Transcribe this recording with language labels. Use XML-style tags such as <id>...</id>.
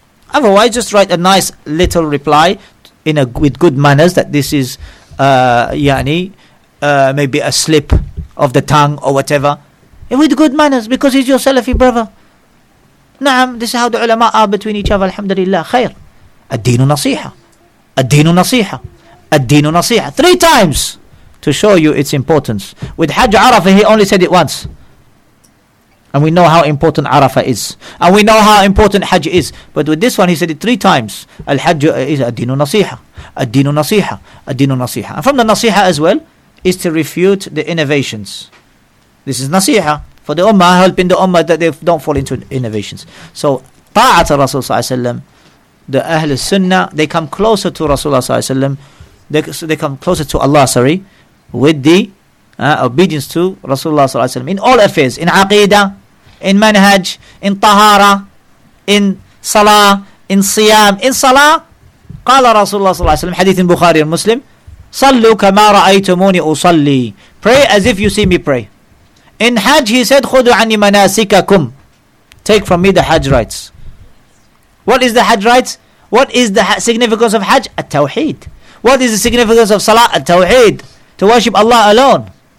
<en>Otherwise, just write a nice little reply with good manners, that this is maybe a slip of the tongue or whatever, and with good manners, because he's your Salafi brother. نعم, this is how the ulama are between each other. Alhamdulillah, خير.</en> <ar>الدين نصيحة, الدين نصيحة, الدين نصيحة.</ar> <en>Three times to show you its importance. With Hajj Arafah, he only said it once. And we know how important Arafah is. And we know how important Hajj is. But with this one, he said it three times. Al-Hajj is</en> <ar>الدين نصيحة, الدين نصيحة, الدين نصيحة.</ar> <en>And from the nasiha as well, is to refute the innovations. This is nasiha for the ummah, helping the ummah that they don't fall into innovations. So ta'at Rasul sallallahu alayhi wa sallam, the Ahlul Sunnah, they come closer to Rasulullah sallallahu alayhi wa sallam, they come closer to Allah, sorry, with the obedience to Rasulullah sallallahu alayhi wa sallam in all affairs, in aqidah, in manhaj, in tahara, in salah, in siyam, in salah.</en> <ar>قال رسول الله صلى الله عليه وسلم حديث البخاري المسلم صلوا كما رأيتموني أصلي,</ar> <en>pray as if you see me pray. In Hajj he said</en> <ar>خذوا عني مناسككم,</ar> <en>take from me the Hajj rites. What is the Hajj rites? What is the significance of Hajj?</en> <ar>التوحيد.</ar> <en>What is the significance of Salah? التوحيد, to worship Allah alone.</en>